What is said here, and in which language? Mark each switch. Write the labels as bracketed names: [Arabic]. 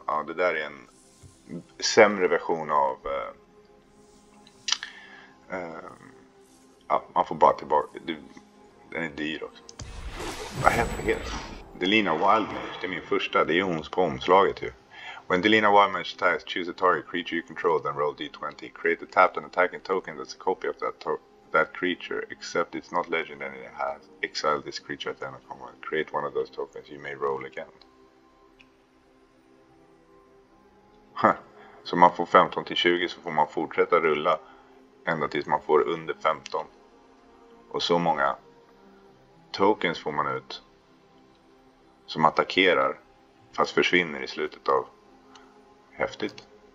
[Swedish] Ja, det där är en sämre version av ja, man får bara tillbaka. Den är dyr också. Vad heter det? Delina Wildmage, det är min första. Det är hon på omslaget ju. [English] When Delina Wildmage attacks, choose a target creature you control, then roll d20. Create a tapped and attacking token that's a copy of that creature, except it's not legendary and it has exiled this creature at the end of combat. Create one of those tokens, you may roll again. [Swedish] Så man får 15 till 20 så får man fortsätta rulla ända tills man får under 15. Och så många tokens får man ut som attackerar fast försvinner i slutet av. Häftigt.